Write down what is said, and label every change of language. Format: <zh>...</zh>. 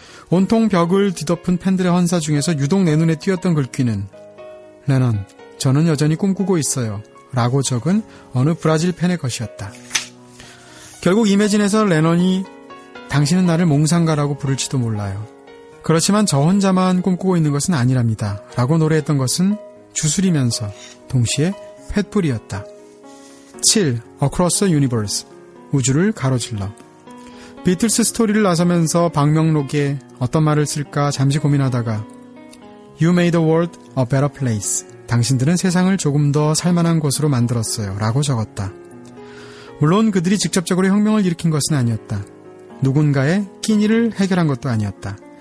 <ko>온통 벽을 뒤덮은 팬들의 헌사 중에서 유독 내 눈에 띄었던 글귀는 레넌, 저는 여전히 꿈꾸고 있어요 라고 적은 어느 브라질 팬의 것이었다. 결국 이매진에서 레넌이 당신은 나를 몽상가라고 부를지도 몰라요. 그렇지만 저 혼자만 꿈꾸고 있는 것은 아니랍니다 라고 노래했던 것은 주술이면서 동시에 횃불이었다. 7. Across the Universe, 우주를 가로질러. 비틀스 스토리를 나서면서 방명록에 어떤 말을 쓸까 잠시 고민하다가</ko> <en>You made the world a better place.</en> <ko>당신들은 세상을 조금 더 살만한 곳으로 만들었어요 라고 적었다. 물론 그들이 직접적으로 혁명을 일으킨 것은 아니었다. 누군가의 끼니를 해결한 것도 아니었다.</ko>